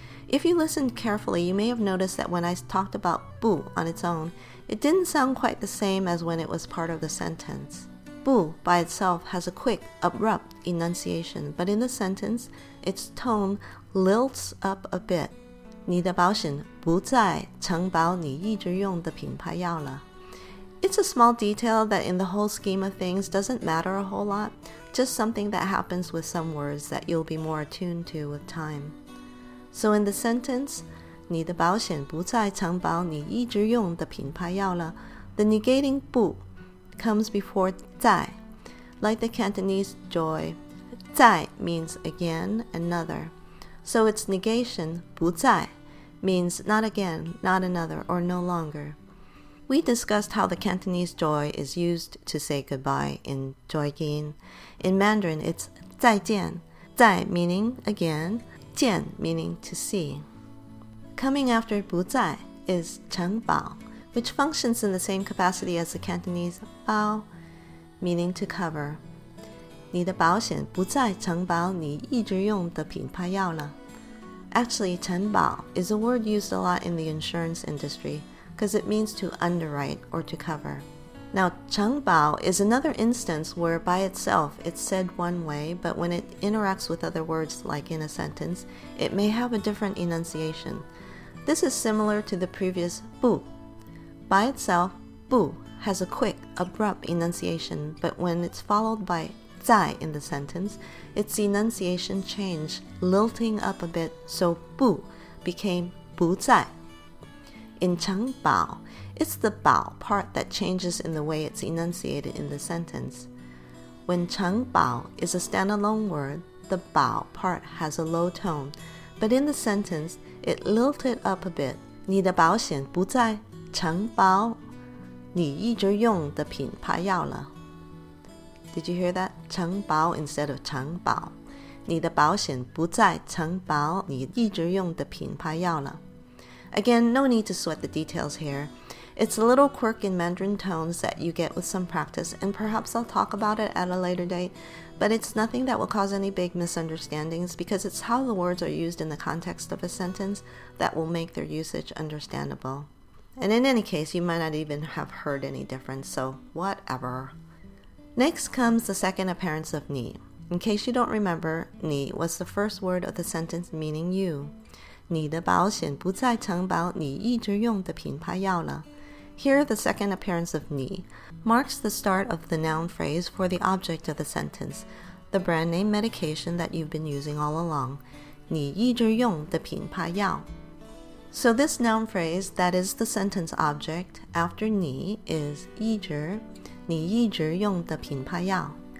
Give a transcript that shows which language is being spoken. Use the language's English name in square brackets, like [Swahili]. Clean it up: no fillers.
[English] If you listened carefully, you may have noticed that when I talked about 不 on its own, it didn't sound quite the same as when it was part of the sentence. 不 by itself has a quick, abrupt enunciation, but in the sentence, its tone lilts up a bit. [Chinese] 你的保险不再承保你一直用的品牌药了。 [English] It's a small detail that in the whole scheme of things doesn't matter a whole lot, just something that happens with some words that you'll be more attuned to with time. So in the sentence, [Chinese] 你的保险不再承保你一直用的品牌药了, [English] the negating 不 comes before 在. Like the Cantonese 在, 在 means again, another. So its negation, 不再, means not again, not another, or no longer. We discussed how the Cantonese 在 is used to say goodbye in 再见. In Mandarin, it's 再见, 在 meaning again,见 meaning to see. Coming after 不在 is 承保, which functions in the same capacity as the Cantonese 保, meaning to cover. [Chinese] 你的保险不再承保你一直用的品牌药了. [English] Actually, 承保 is a word used a lot in the insurance industry because it means to underwrite or to cover. Now, 承保 is another instance where by itself it's said one way, but when it interacts with other words like in a sentence, it may have a different enunciation. This is similar to the previous 不.By itself, 不 has a quick, abrupt enunciation, but when it's followed by 在 in the sentence, its enunciation changed, lilting up a bit, so 不 became 不在. In 承保, it's the 保 part that changes in the way it's enunciated in the sentence. When 承保 is a standalone word, the 保 part has a low tone, but in the sentence, it lilted up a bit. [Chinese] 你的保险不再承保你一直用的品牌药了。 [English] Did you hear that? 承保 instead of 承保。 [Chinese] 你的保险不再承保你一直用的品牌药了。 [English] Again, no need to sweat the details here. It's a little quirk in Mandarin tones that you get with some practice, and perhaps I'll talk about it at a later date, but it's nothing that will cause any big misunderstandings because it's how the words are used in the context of a sentence that will make their usage understandable. And in any case, you might not even have heard any difference, so whatever. Next comes the second appearance of 你.In case you don't remember, 你 was the first word of the sentence meaning you. [Chinese] 你的保险不再承保你一直用的品牌药了。 [English] Here, the second appearance of 你 marks the start of the noun phrase for the object of the sentence, the brand name medication that you've been using all along. [Chinese] 你一直用的品牌药。 [English] So this noun phrase, that is the sentence object, after 你 is 一直, [Chinese] 你一直用的品牌药。